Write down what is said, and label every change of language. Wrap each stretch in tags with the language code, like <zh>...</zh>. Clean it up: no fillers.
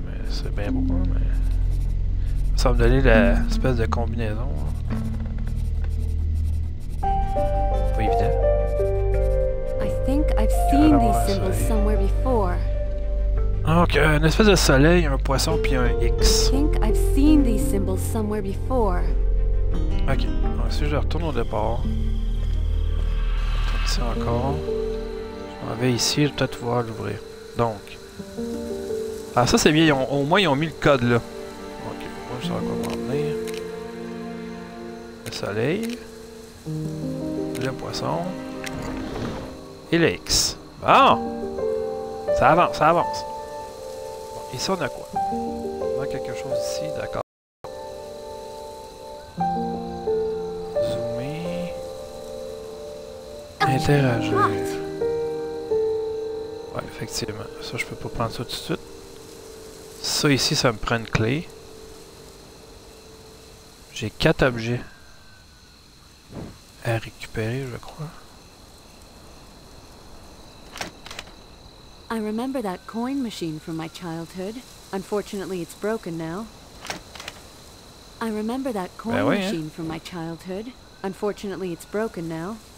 <fr>C'est bien beau, hein, mais... Ça va me donner l'espèce de combinaison. Hein. Pas évident.</fr> <en>I think I've seen these symbols somewhere before.</en> <fr>Donc, une espèce de soleil, un poisson, puis un X.</fr> <en>I think I've seen these symbols somewhere before.</en> <fr>Ok. Donc, si je retourne au départ... Je retourne ici encore. Je m'en vais ici, je vais peut-être pouvoir l'ouvrir. Donc... Ah, ça c'est bien, ils ont, au moins ils ont mis le code là. Ok, moi je sais à quoi m'en venir. Le soleil. Le poisson. Et le X. Bon! Ça avance, ça avance. Bon, ici on a quoi? On a quelque chose ici, d'accord. Zoomer. Interagir. Ouais, effectivement. Ça je peux pas prendre ça tout de suite. Ça ici, ça me prend une clé. J'ai 4 objets à récupérer, je crois.</fr> <en>I remember that coin machine from my childhood. Unfortunately, it's broken now. I remember that coin machine from my childhood. Unfortunately, it's broken now.</en>